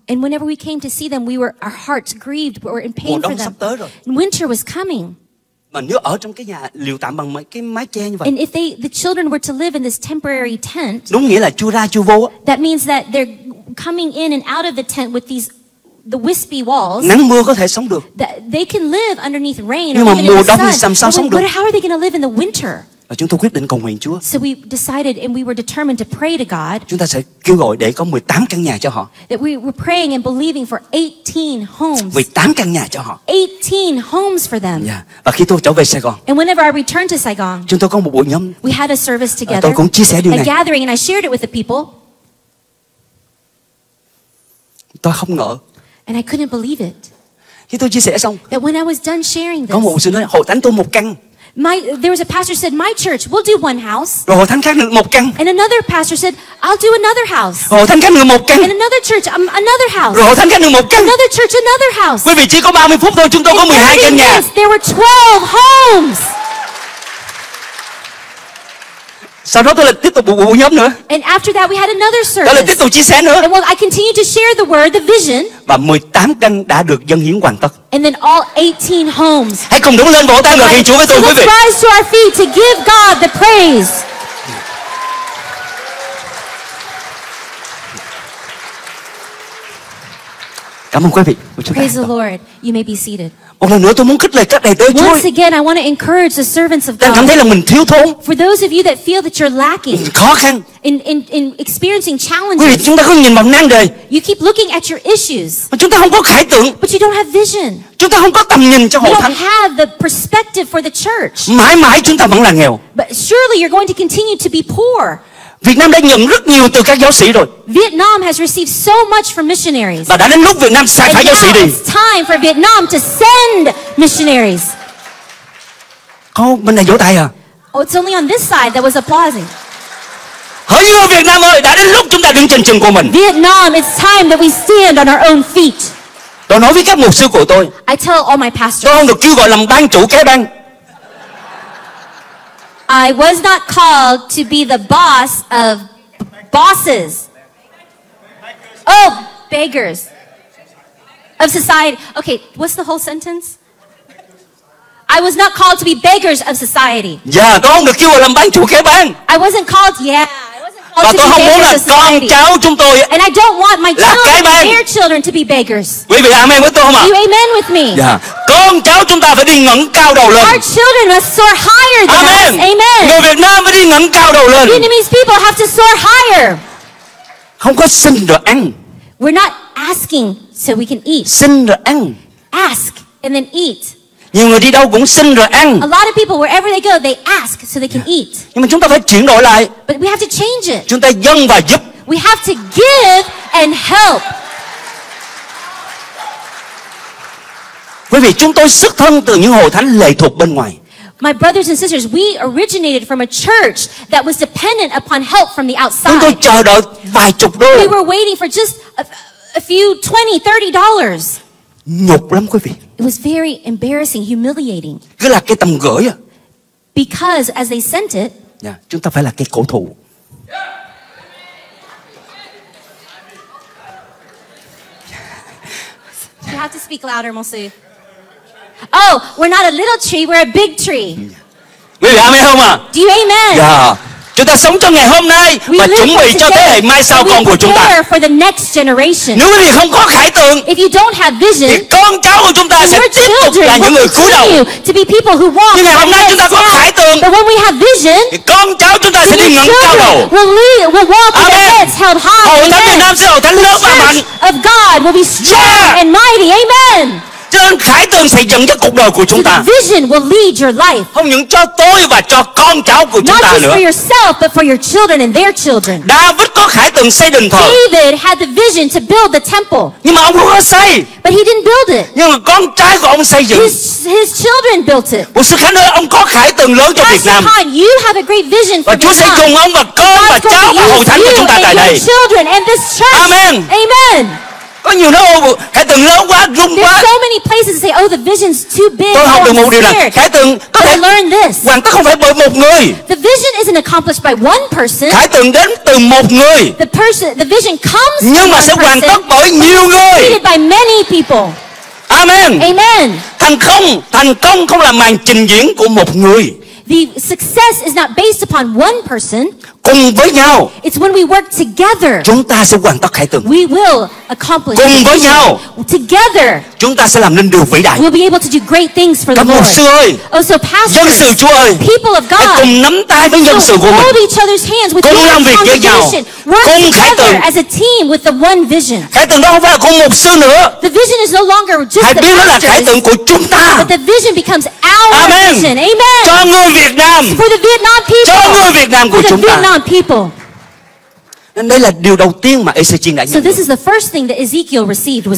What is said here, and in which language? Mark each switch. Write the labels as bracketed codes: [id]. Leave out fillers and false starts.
[en] And whenever we came to see them, our hearts grieved, we were in pain for them. Winter was coming. [vi] Mà nếu ở trong cái nhà liều tạm bằng cái mái che như vậy. [en] And if the children were to live in this temporary tent. [vi] Đúng nghĩa là chua ra chua vô. [en] That means that they're coming in and out of the tent with the wispy walls. [vi] Nắng mưa có thể sống được. [en] They can live underneath rain. [vi] Nhưng mà mùa đông [en] sun, [vi] thì làm sao sống được? [en] But how are they going to live in the winter? [vi] Và chúng tôi quyết định cầu nguyện Chúa. [en] So we decided and we were determined to pray to God. [vi] Chúng ta sẽ kêu gọi để có 18 căn nhà cho họ. [en] That we were praying and believing for 18 homes. [vi] 18 căn nhà cho họ. [en] 18 homes for them. [vi] Yeah. Và khi tôi trở về Sài Gòn. [en] And whenever I returned to Saigon. [vi] Chúng tôi có một buổi nhóm. [en] We had a service together. [vi] Tôi cũng chia sẻ điều này. [en] A gathering and I shared it with the people. [vi] Tôi không ngờ. [en] And I couldn't believe it. [vi] Khi tôi chia sẻ xong. [en] That when I was done sharing this. [vi] Có một sư nói hội thánh tôi một căn. [en] There was a pastor said, my church, we'll do one house. [vi] Rồi hội thánh khác một căn. [en] And another pastor said, I'll do another house. [vi] Rồi hội thánh khác một căn. [en] And another church, another house. [vi] Rồi hội thánh khác một căn. [en] Another church, another house. [vi] Quý vị chỉ có 30 phút thôi, chúng tôi có 12 căn nhà. [en] There were 12 homes. [vi] Sau đó tôi lại tiếp tục buổi nhóm nữa. [en] And after that we had another service. [vi] Tôi lại tiếp tục chia sẻ nữa. [en] And well, I continued to share the word, the vision. [vi] Và 18 căn đã được dâng hiến hoàn tất. [en] And then all 18 homes. [vi] Hãy cùng đứng lên vỗ tay ngợi khen Chúa với tôi, quý vị. [en] Let's rise to our feet to give God the praise. [vi] Cảm ơn quý vị. [en] Praise the Lord. You may be seated. [vi] Một lần nữa tôi muốn khích lệ các đầy tớ Chúa. [en] Once again, I want to encourage the servants of God. [vi] Đang cảm thấy là mình thiếu thốn. [en] For those of you that feel that you're lacking. [vi] Khó khăn. [en] In experiencing challenges. [vi] Quý vị, chúng ta không nhìn vào nan đề. [en] You keep looking at your issues. [vi] Mà chúng ta không có khải tượng. [en] But you don't have vision. [vi] Chúng ta không có tầm nhìn cho hội thánh. [en] You don't have the perspective for the church. [vi] Mãi mãi chúng ta vẫn là nghèo. [en] But surely you're going to continue to be poor. [vi] Việt Nam đã nhận rất nhiều từ các giáo sĩ rồi. [en] Vietnam has received so much from missionaries. [vi] Và đã đến lúc Việt Nam sẽ phải giáo sĩ đi. [en] It's time for Vietnam to send missionaries. [vi] Không, bên này vỗ tay à? [en] Oh, it's only on this side that was applauding. [vi] Hỡi người Việt Nam ơi, đã đến lúc chúng ta đứng trên chân của mình. [en] Vietnam, it's time that we stand on our own feet. [vi] Tôi nói với các mục sư của tôi. [en] I tell all my pastors. [vi] Tôi không được kêu gọi làm ban chủ cái ban. [en] I was not called to be the boss of bosses. Oh, beggars. Of society. Okay, what's the whole sentence? I was not called to be beggars of society. [vi] Yeah, tôi không được kêu gọi làm ban chủ cái bang. [en] I wasn't called, yeah. I wasn't called [vi] và [en] to be beggars of society. [vi] Và tôi không muốn là con cháu chúng tôi. [en] And I don't want my children, their children to be beggars. [vi] Quý vị amen với tôi không ạ? [en] You amen with me? Yeah. [vi] Con cháu chúng ta phải đi ngẩng cao đầu lên. [en] Our children must soar higher than amen. Us. Amen. [vi] Người Việt Nam phải đi ngẩng cao đầu lên. [en] Vietnamese people have to soar higher. [vi] Không có xin rồi ăn. [en] We're not asking so we can eat. [vi] Xin rồi ăn. [en] Ask and then eat. [vi] Nhiều người đi đâu cũng xin rồi ăn. [en] A lot of people wherever they go, they ask so they can eat. [vi] Nhưng mà chúng ta phải chuyển đổi lại. [en] But we have to change it. [vi] Chúng ta dâng và giúp. [en] We have to give and help. [vi] Quý vị, chúng tôi xuất thân từ những hội thánh lệ thuộc bên ngoài. [en] My brothers and sisters, we originated from a church that was dependent upon help from the outside. [vi] Chúng tôi chờ đợi vài chục đô. [en] We were waiting for just a few $20-$30. [vi] Nhục lắm quý vị. [en] It was very embarrassing, humiliating. [vi] Cứ là cái tầm gửi à. [en] Because as they sent it. [vi] Yeah, chúng ta phải là cái cổ thụ. [en] You have to speak louder, Monsieur. Oh, we're not a little tree, we're a big tree. [vi] Quý vị amen không ạ? [en] Do you amen? Yeah. [vi] Chúng ta sống cho ngày hôm nay [en] we [vi] và chuẩn bị cho thế hệ mai sau con của chúng ta. [en] For the next generation. [vi] Nếu quý vị không có khải tượng, [en] if you don't have vision, [vi] thì con cháu của chúng ta sẽ tiếp tục là những người cúi đầu. [en] To be people who walk. [vi] Nhưng ngày hôm nay chúng ta có khải tượng, [en] but when we have vision, [vi] thì con cháu chúng ta sẽ đi ngẩng cao đầu. [en] Will walk with their heads held high. [vi] Hội thánh Việt Nam sẽ hội thánh lớn và mạnh. [en] Of God will be strong and mighty. Amen. [vi] Cho nên khải tượng sẽ dẫn dắt cuộc đời của chúng ta. [en] Vision will lead your life. [vi] Không những cho tôi và cho con cháu của chúng ta nữa. [en] Not just for yourself, but for your children and their children. [vi] David có khải tượng xây đền thờ. [en] David had the vision to build the temple. [vi] Nhưng mà ông không có xây. [en] But he didn't build it. [vi] Nhưng mà con trai của ông xây dựng. [en] His children built it. [vi] Mục sư Khánh ơi, ông có khải tượng lớn cho Việt Nam. [en] You have a great vision for [vi] và Chúa sẽ dùng ông và con và cháu và hội thánh của chúng ta tại đây. [en] Children and this church. Amen. Amen. [vi] Có nhiều nơi khải tượng lớn quá, rung quá. [en] There's so many places to say, oh, the vision's too big. [vi] Tôi học được một điều là khải tượng có thể hoàn tất không phải bởi một người. [en] The vision isn't accomplished by one person. [vi] Khải tượng đến từ một người. [en] The vision comes [vi] nhưng mà sẽ hoàn tất bởi nhiều người. [en] Created by many people. Amen. Amen. [vi] Thành công không là màn trình diễn của một người. [en] The success is not based upon one person. [vi] cùng với nhau. [en] It's when we work together. [vi] Chúng ta sẽ hoàn tất khải tượng. [en] We will accomplish. [vi] Cùng với nhau. [en] Together. [vi] Chúng ta sẽ làm nên điều vĩ đại. [en] We'll be able to do great things for the Lord. [vi] Các mục sư ơi. [en] Also pastors. [vi] Dân sự Chúa ơi. [en] People of God. [vi] Hãy cùng nắm tay với dân sự của mình. [en] Hold each other's hands with one vision. [vi] Cùng làm việc với nhau. Cùng [en] as a team with the one vision. [vi] Khải tượng đó không phải là của mục sư nữa. [en] The vision is no longer just the pastors. [vi] Hãy biết đó là khải tượng của chúng ta. [en] But the vision becomes our Amen. Vision. Amen. [vi] Cho người Việt Nam. [en] For the Vietnam people. [vi] Cho người Việt Nam của chúng ta. [en] People. [vi] Đây là điều đầu tiên mà Ezekiel đã nhận. [en] So this is the first thing that Ezekiel received was vision.